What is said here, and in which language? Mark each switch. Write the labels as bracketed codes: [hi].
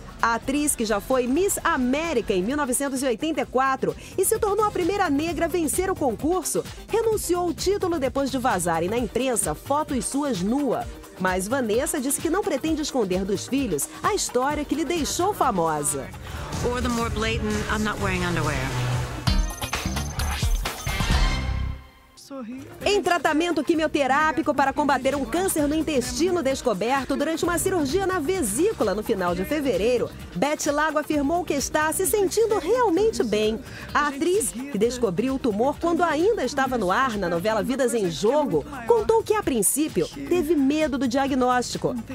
[pt] A atriz, que já foi Miss América em 1984 e se tornou a primeira negra a vencer o concurso, renunciou ao título depois de vazarem na imprensa fotos suas nua. Mas Vanessa disse que não pretende esconder dos filhos a história que lhe deixou famosa. [en] Or the more blatant, I'm not wearing underwear. [pt] Em tratamento quimioterápico para combater um câncer no intestino descoberto durante uma cirurgia na vesícula no final de fevereiro, Beth Lago afirmou que está se sentindo realmente bem. A atriz, que descobriu o tumor quando ainda estava no ar na novela Vidas em Jogo, contou que, a princípio, teve medo do diagnóstico.